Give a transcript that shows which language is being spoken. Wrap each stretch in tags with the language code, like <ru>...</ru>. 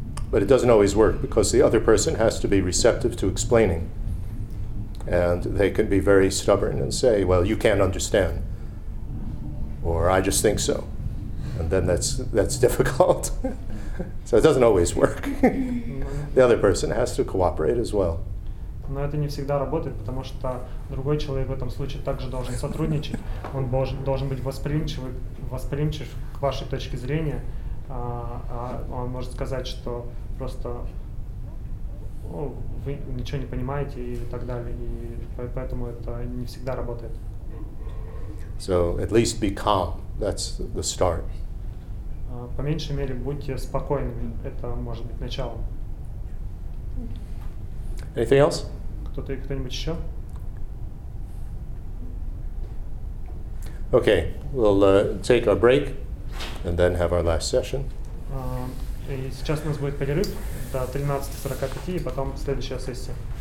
<en>But it doesn't always work because the other person has to be receptive to explaining, and they can be very stubborn and say, "Well, you can't understand," or "I just think so," and then that's difficult. So it doesn't always work. The other person has to cooperate as well.</en> <ru>Но это не всегда работает, потому что другой человек в этом случае также должен сотрудничать. Он должен быть восприимчив к вашей точке зрения. Он может сказать, что просто вы ничего не понимаете и так далее. И поэтому это не всегда работает.</ru> <en>So at least be calm. That's the start.</en> <ru>По меньшей мере, будьте спокойными. Это может быть начало.</ru> <en>Anything else?</en> <ru>Кто-нибудь еще?</ru> <en>Okay, we'll take our break and then have our last session.</en> <ru>И сейчас у нас будет перерыв до 13:45, и потом следующая сессия.</ru>